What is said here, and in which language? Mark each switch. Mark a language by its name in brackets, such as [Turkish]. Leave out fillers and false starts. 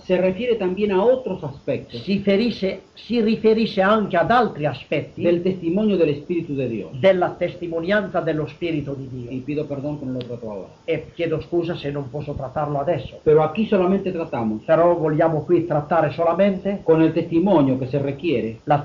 [Spanish] se refiere también a otros aspectos. [Italian] Si riferisce anche ad altri aspetti [Spanish] del testimonio del Espíritu de Dios. [Italian] Della testimonianza dello Spirito di Dio. [Spanish] Y pido perdón que no lo trato ahora. [Italian] E chiedo scusa se non posso trattarlo adesso. [Spanish] Pero aquí solamente tratamos. [Italian] Però vogliamo qui trattare solamente [Spanish] con el testimonio que se requiere.